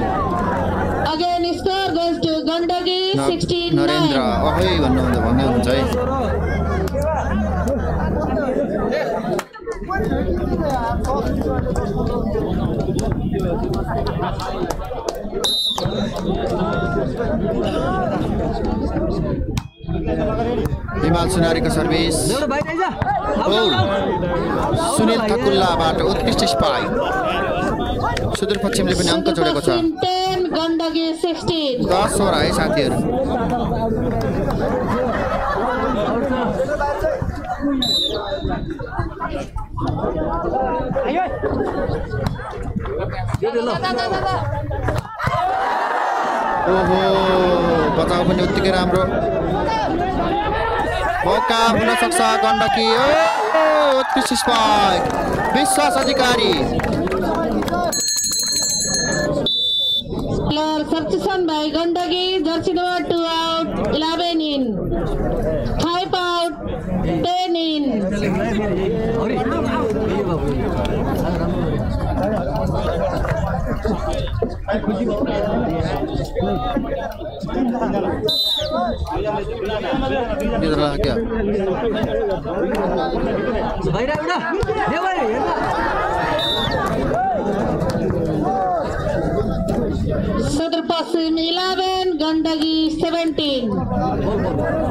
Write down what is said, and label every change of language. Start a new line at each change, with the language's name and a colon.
English: again score goes to Gandaki 16
Nepali: Narendra ओहै भन्नु हुन्छ भन्ने हुन्छ है हिमाल सुनारीको सर्भिस सुनिल ठकुल्लाबाट उत्कृष्ट स्पाइक सुदूरपश्चिमले पनि अङ्क जोडेको छ 10 गण्डकी 16 10 वटा है साथीहरू ओहो बचाउ पनि उत्तिकै राम्रो मौका हुन सक्छ गण्डकी ओ उत्कृष्ट स्पाइक विश्वास अधिकारी
English: player सर्चिसन भाई Gandaki jersey number 2 out 11 in 5 out 10 in Sudurpashchim 11 Gandaki 17